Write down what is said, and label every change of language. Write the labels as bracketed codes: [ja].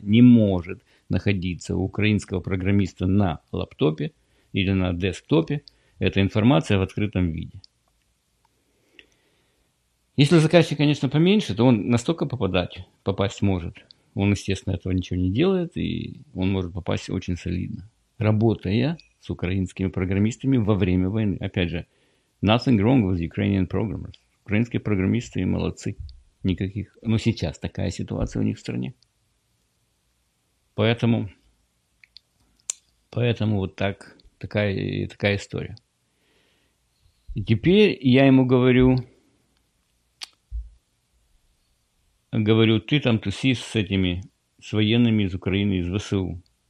[ru] Не может находиться у украинского программиста на лаптопе или на десктопе эта информация в открытом виде. Если заказчик, конечно, поменьше, то он настолько попасть может. Он, естественно, этого ничего не делает, и он может попасть очень солидно, работая с украинскими программистами во время войны. Опять же, [en] nothing wrong with Ukrainian programmers. [ru] Украинские программисты молодцы. Никаких. Но сейчас такая ситуация у них в стране. Поэтому вот такая история. И теперь я ему говорю, ты там тусишь с этими, с военными из Украины, из ВСУ.